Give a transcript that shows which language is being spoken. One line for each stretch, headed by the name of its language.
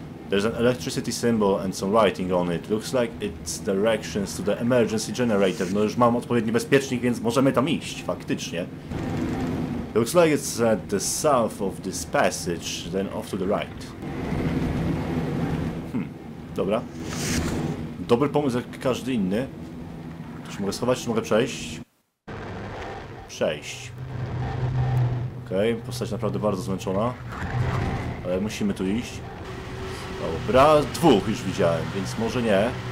English: There's an electricity symbol and some writing on it. Looks like it's directions to the emergency generator.
Polish: No już mam odpowiedni bezpiecznik, więc możemy tam iść, faktycznie.
English: Looks like it's at the south of this passage, then off to the right.
Polish: Dobra. Dobry pomysł jak każdy inny. Czy mogę schować, czy mogę przejść? Przejść. Okej, postać naprawdę bardzo zmęczona. Ale musimy tu iść. Dobra, dwóch już widziałem, więc może nie.